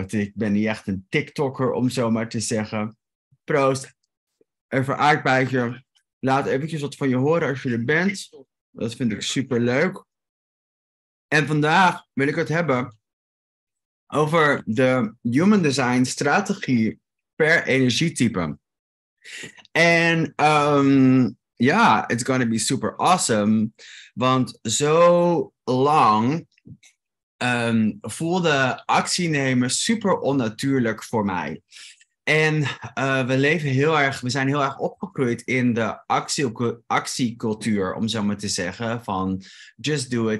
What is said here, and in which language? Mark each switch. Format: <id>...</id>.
<nl>Ik ben niet echt een TikToker om zo maar te zeggen. Proost, even aardbeidje. Laat eventjes wat van je horen als je er bent. Dat vind ik super leuk. En vandaag wil ik het hebben over de human design strategie per energietype.</nl> <en>En ja, it's going to be super awesome.</en> <nl>Want zo lang voelde actie nemen super onnatuurlijk voor mij. En we zijn heel erg opgegroeid in de actiecultuur, om zo maar te zeggen, van</nl> <en>just do it.</en>